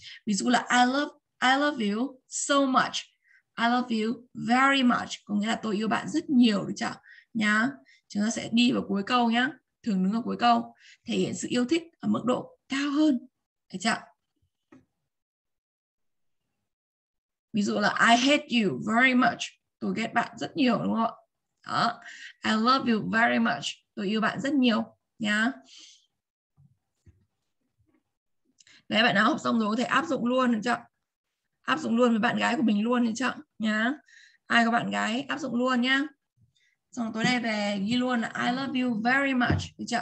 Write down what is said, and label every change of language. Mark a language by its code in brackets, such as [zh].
[vi] Ví dụ là [en] I love you so much, I love you very much, [vi] có nghĩa là tôi yêu bạn rất nhiều được chứ. Nhá, chúng ta sẽ đi vào cuối câu nhá, thường đứng ở cuối câu, thể hiện sự yêu thích ở mức độ cao hơn, được chứ. [en] Ví dụ là I hate you very much. [vi] Tôi ghét bạn rất nhiều đúng không ạ? Đó. [en] I love you very much. [vi] Tôi yêu bạn rất nhiều nhá. Đấy, bạn nào học xong rồi có thể áp dụng luôn được chưa? Áp dụng luôn với bạn gái của mình luôn được chưa? Nhá. Ai có bạn gái áp dụng luôn nhá. Xong tối nay về ghi luôn là [en] I love you very much [vi] được chưa?